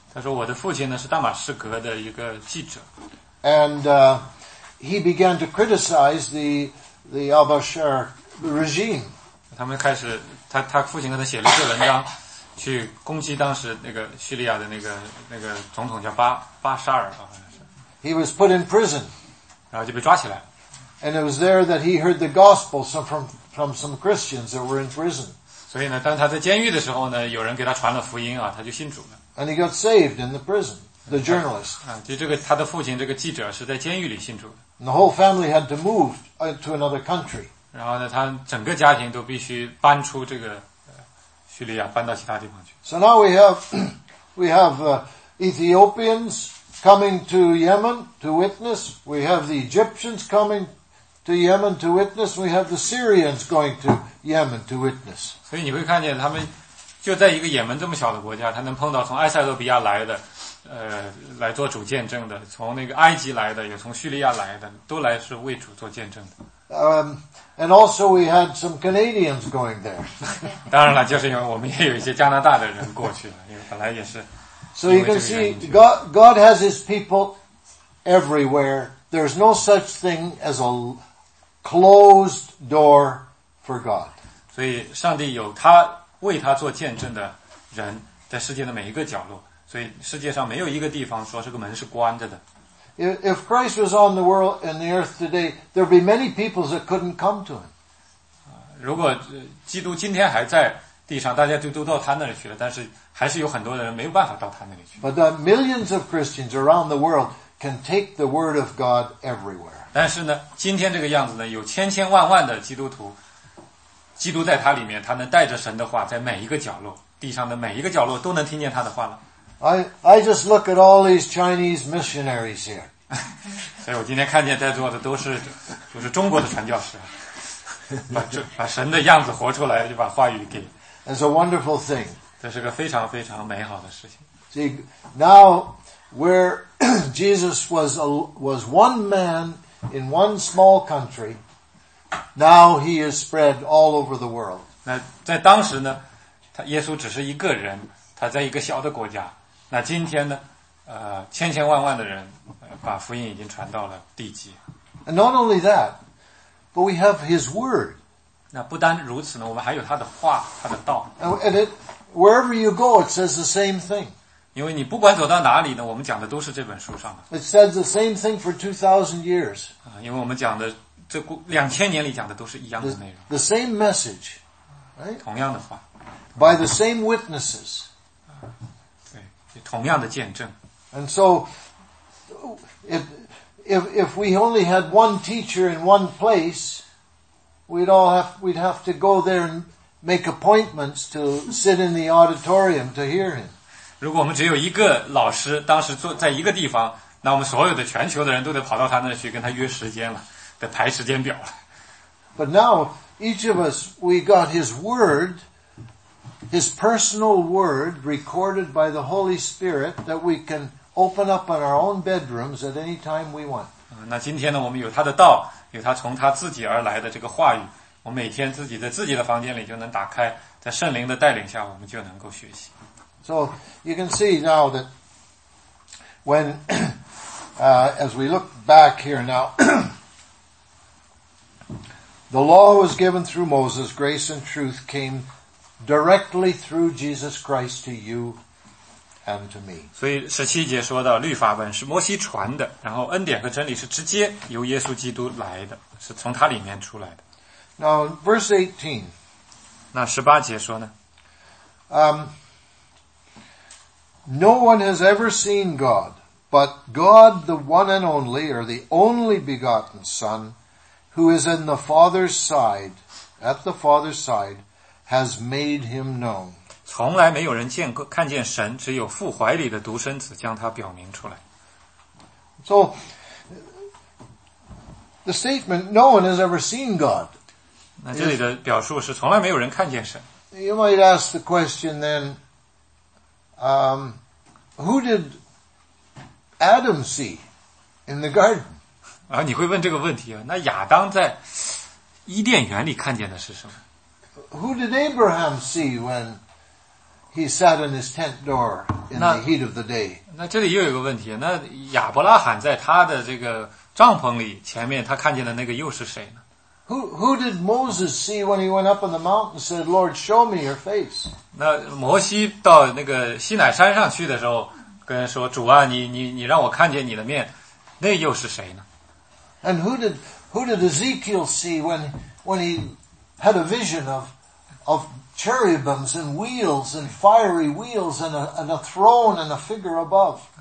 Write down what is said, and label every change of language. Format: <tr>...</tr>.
<zh>他说我的父亲呢是大马士革的一个记者。</zh> <en>And he began to criticize the al-Bashar regime.</en> <zh>他们开始他父亲跟他写了一个文章去攻击当时那个叙利亚的那个总统叫巴沙尔。</zh> <en>He was put in prison.</en> <zh>然后就被抓起来。</zh> <en>And it was there that he heard the gospel from some Christians that were in prison.</en> <zh>所以呢当他在监狱的时候呢有人给他传了福音啊他就信主了。</zh> <en>And he got saved in the prison. The journalist.</en> <zh>就这个他的父亲这个记者是在监狱里信主的。</zh> <en>The whole family had to move to another country.</en> <zh>然后呢他整个家庭都必须搬出这个叙利亚搬到其他地方去。</zh> <en>So now we have Ethiopians coming to Yemen to witness. We have the Egyptians coming to Yemen to witness. We have the Syrians going to Yemen to witness.</en> <zh>所以你会看见他们就在一个也门这么小的国家他能碰到从埃塞俄比亚来的来做主见证的，从那个埃及来的，也从叙利亚来的，都来是为主做见证的。</zh> <en>And also we had some Canadians going there.</en> <zh>当然了，就是因为我们也有一些加拿大的人过去了，因为本来也是。</zh> <en>So you can see God has His people everywhere. There's no such thing as a closed door for God.</en> <zh>所以上帝有他为他做见证的人，在世界的每一个角落。所以世界上没有一个地方说这个门是关着的。</zh> <en>If Christ was on the world and the earth today, there'd be many peoples that couldn't come to Him.</en> <zh>如果基督今天还在地上，大家都到他那里去了，但是还是有很多人没有办法到他那里去。</zh> <en>But the millions of Christians around the world can take the Word of God everywhere.</en> <zh>但是呢，今天这个样子呢，有千千万万的基督徒，基督在他里面，他能带着神的话，在每一个角落，地上的每一个角落都能听见他的话了。</zh> <en>I just look at all these Chinese missionaries here.</en> <zh>所以我今天看见在座的都是中国的传教士，把神的样子活出来，就把话语给。</zh> <en>It's a wonderful thing.</en> <zh>这是个非常非常美好的事情。</zh> <en>See now where Jesus was one man in one small country. Now he is spread all over the world.</en> <zh>那在当时呢，他耶稣只是一个人，他在一个小的国家。那今天呢千千万万的人把福音已经传到了地极。</zh> <en>And not only that, but we have his word.</en> <zh>那不单如此呢我们还有他的话他的道。</zh> <en>And wherever you go, it says the same thing.</en> <zh>因为你不管走到哪里呢我们讲的都是这本书上的。</zh> <en>It says the same thing for 2,000 years.</en> <zh>因为我们讲的这2000年里讲的都是一样的内容。</zh> <en>The same message, right?</en> <zh>同样的话。</zh> <en>By the same witnesses.</en> <zh>同样的见证。</zh> <en>And so, if we only had one teacher in one place, we'd have to go there and make appointments to sit in the auditorium to hear him.</en> <zh>如果我们只有一个老师当时坐在一个地方，那我们所有的全球的人都得跑到他那去跟他约时间了，得排时间表了。</zh> <en>But now, each of us, we got his word, his personal word recorded by the Holy Spirit that we can open up in our own bedrooms at any time we want.</en> <zh>那今天呢，我们有他的道，有他从他自己而来的这个话语，我每天自己在自己的房间里就能打开，在圣灵的带领下，我们就能够学习。</zh> <en>So you can see now that when, as we look back here now, the law was given through Moses, grace and truth came directly through Jesus Christ to you and to me.</en> <zh>所以十七节说到，律法本是摩西传的，然后恩典和真理是直接由耶稣基督来的，是从他里面出来的。</zh> <en>Now, verse 18.</en> <zh>那十八节说呢？</zh> <en>No one has ever seen God, but God, the one and only, or the only begotten Son, who is in the Father's side, at the Father's side, has made him known.</en> <zh>从来没有人见过看见神，只有父怀里的独生子将他表明出来。</zh> <en>So, the statement, no one has ever seen God.</en> <zh>那这里的表述是从来没有人看见神。</zh> <en>You might ask the question then,who did Adam see in the garden?</en> <zh>啊，你会问这个问题啊？那亚当在伊甸园里看见的是什么</zh> <en>？Who did Abraham see when he sat in his tent door in the heat of the day?</en> <zh>那这里又有个问题，那亚伯拉罕在他的这个帐篷里前面，他看见的那个又是谁呢？</zh> <en>Who did Moses see when he went up on the mountain and said, Lord, show me your face?</en> <zh>那摩西到那个西乃山上去的时候跟人说，主啊，你让我看见你的面，那又是谁呢？</zh> <en>And who did Ezekiel see when he had a vision of cherubims and wheels and fiery wheels and a throne and a figure above?</en>